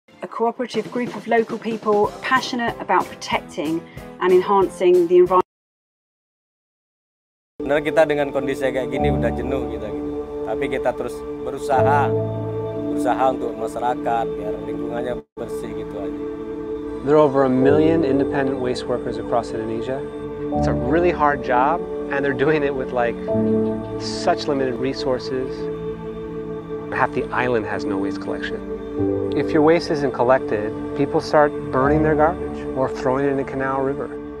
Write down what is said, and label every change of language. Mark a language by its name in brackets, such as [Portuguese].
[English] Cooperative group of local people passionate about protecting and enhancing the environment. [Indonesian] Benar kita dengan kondisi kayak gini udah jenuh kita gitu. Tapi kita terus berusaha untuk masyarakat biar lingkungannya bersih gitu aja. [English] There are over a million independent waste workers across Indonesia. It's a really hard job and they're doing it with such limited resources. Half the island has no waste collection. If your waste isn't collected, people start burning their garbage or throwing it in a canal river.